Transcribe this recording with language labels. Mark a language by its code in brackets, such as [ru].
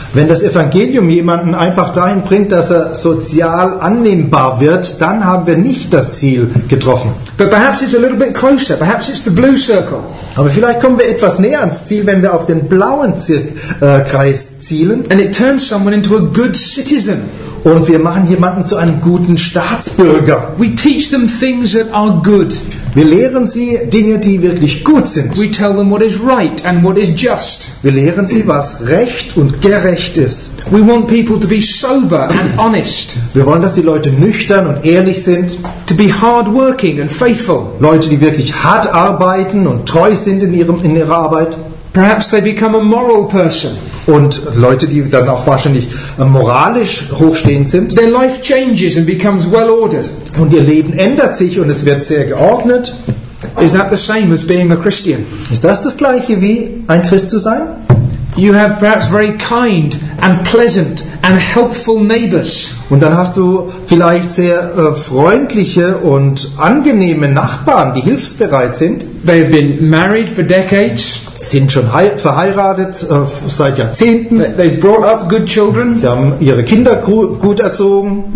[de] Wenn das Evangelium jemanden einfach dahin bringt, dass er sozial annehmbar wird, dann haben wir nicht das Ziel getroffen. [en] But perhaps it's a little bit closer. Perhaps it's the blue circle. [de] Aber vielleicht kommen wir etwas näher ans Ziel, wenn wir auf den blauen Kreis zielen. [en] And it turns someone into a good citizen. [de] Und wir machen jemanden zu einem guten Staatsbürger. [en] We teach them things that are good. [de] Wir lehren sie Dinge, die wirklich gut sind. [en] We tell them what is right and what is just. [de] Wir lehren sie, was recht und gerecht ist. [en] We want people to be sober and honest. [de] Wir wollen, dass die Leute nüchtern und ehrlich sind. [en] To be hard working and faithful. [de] Leute, die wirklich hart arbeiten und treu sind in ihrer Arbeit. [en] Perhaps they become a moral person. [de] Und Leute, die dann auch wahrscheinlich moralisch hochstehend sind. [en] Their life changes and becomes well ordered. [de] Und ihr Leben ändert sich und es wird sehr geordnet. [en] Is that the same as being a Christian? [de] Ist das das gleiche wie ein Christ zu sein? [en] You have perhaps very kind and pleasant and helpful neighbors. [de] Und dann hast du vielleicht sehr freundliche und angenehme Nachbarn, die hilfsbereit sind. [en] They've been married for decades. [de] Sind schon verheiratet seit Jahrzehnten. [en] They've brought up good children. [de] Sie haben ihre Kinder gut erzogen.